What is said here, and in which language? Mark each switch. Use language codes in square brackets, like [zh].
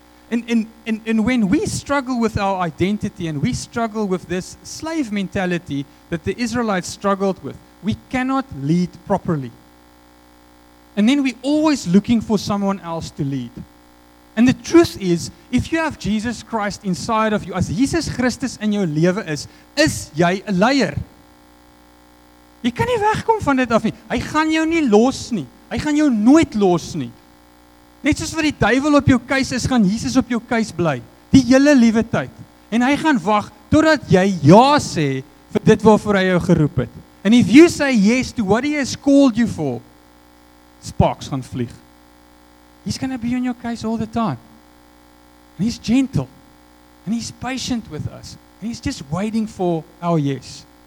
[en] And when we struggle with our identity and we struggle with this slave mentality that the Israelites struggled with, we cannot lead properly. And then we're always looking for someone else to lead. And the truth is, if you have Jesus Christ inside of you, as Jesus Christus in your lewe [af] is jy 'n leier. Jy kan nie wegkom van dit af nie. Hy gaan jou nie los nie. Hy gaan jou nooit los nie. Net soos wat die duivel op jou keis is, gaan Jesus op jou keis bly. Die hele liewe tyd. En hy gaan wag totdat jy ja sê vir dit waarvoor hy jou geroep het. [en] And if you say yes to what he has called you for, sparks [af] gaan vlieg. [en] He's going to be on your case all the time. And he's gentle. And he's patient with us. And he's just waiting for our yes.